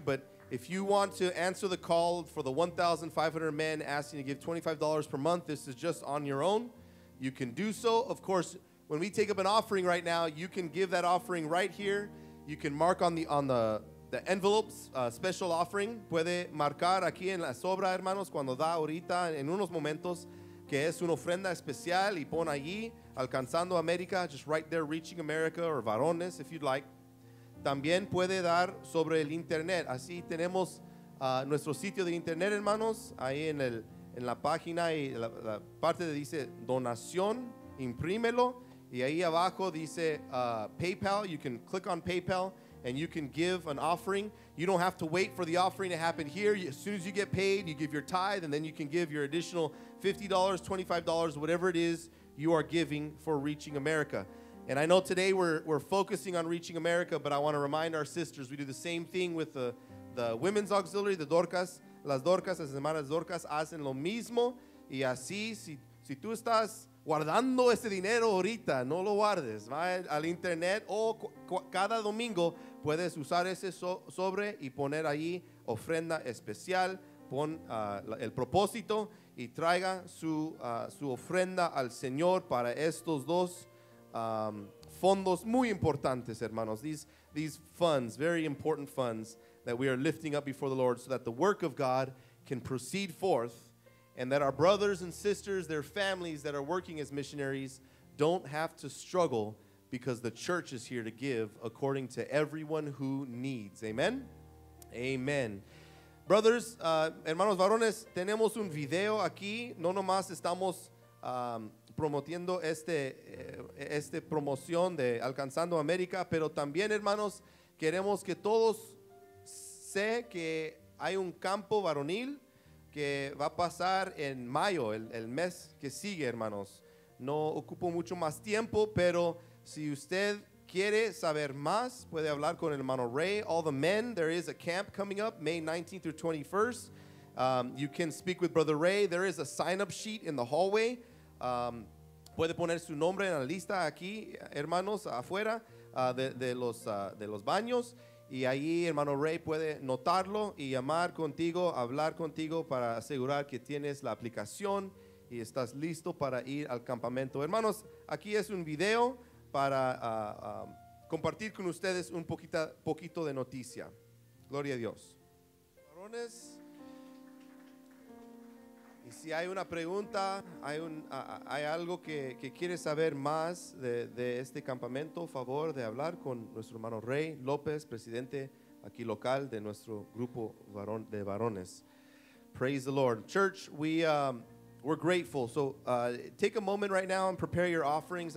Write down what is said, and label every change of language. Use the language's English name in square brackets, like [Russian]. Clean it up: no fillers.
[English] But if you want to answer the call for the 1,500 men asking to give $25 per month, this is just on your own. You can do so. Of course, when we take up an offering right now, you can give that offering right here. You can mark on the envelopes, special offering. [Spanish] Puede marcar aquí en la sobra, hermanos, cuando da ahorita en unos momentos. Que es una ofrenda especial y pon allí, Alcanzando América, [English] just right there, Reaching America, or Varones, if you'd like. [Spanish] También puede dar sobre el internet. Así tenemos nuestro sitio de internet, hermanos, ahí en la página y la parte de dice donación, imprímelo, y ahí abajo dice PayPal. [English] You can click on PayPal and you can give an offering. You don't have to wait for the offering to happen here. As soon as you get paid, you give your tithe, and then you can give your additional $50, $25, whatever it is you are giving for Reaching America. And I know today we're focusing on Reaching America, but I want to remind our sisters, we do the same thing with the women's auxiliary, the Dorcas. [Spanish] Las Dorcas, las hermanas Dorcas, hacen lo mismo. Y así, si tú estás guardando ese dinero ahorita, no lo guardes. Va al internet o cada domingo puedes usar ese sobre y poner ahí ofrenda especial. Pon el propósito y traiga su ofrenda al Señor para estos dos fondos muy importantes, hermanos. [English] These funds, very important funds that we are lifting up before the Lord so that the work of God can proceed forth, and that our brothers and sisters, their families that are working as missionaries, don't have to struggle because the church is here to give according to everyone who needs. [Spanish] Amen? Amen. Brothers, hermanos varones, tenemos un video aquí. No nomás estamos promoviendo este promoción de Alcanzando América, pero también, hermanos, queremos que todos sé que hay un campo varonil que va a pasar en mayo, el mes que sigue, hermanos. No ocupo mucho más tiempo, pero si usted quiere saber más, puede hablar con el hermano Ray. [English] All the men, there is a camp coming up May 19th through 21st. You can speak with Brother Ray. There is a sign-up sheet in the hallway. [Spanish] puede poner su nombre en la lista aquí, hermanos, afuera de los baños. Y ahí, hermano Ray, puede notarlo y llamar contigo, hablar contigo para asegurar que tienes la aplicación y estás listo para ir al campamento. Hermanos, aquí es un video para compartir con ustedes un poquito de noticia. Gloria a Dios. Varones, y si hay una pregunta, hay algo que quiere saber más de este campamento, favor de hablar con nuestro hermano Rey López, presidente aquí local de nuestro grupo de varones. [English] Praise the Lord. Church, we're grateful. So take a moment right now and prepare your offerings.